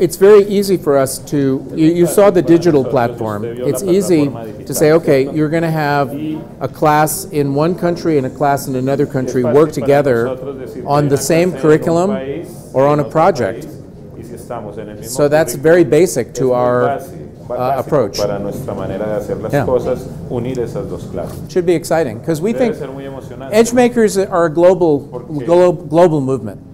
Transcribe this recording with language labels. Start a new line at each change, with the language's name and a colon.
English: It's very easy for us to, you saw the digital platform. It's easy to say, okay, you're going to have a class in one country and a class in another country work together on the same curriculum or on a project. So that's very basic to our approach.
Spanish: Para nuestra manera de hacer las cosas, unir esas dos clases.
English: Should be exciting because we think Edgemakers are a global movement.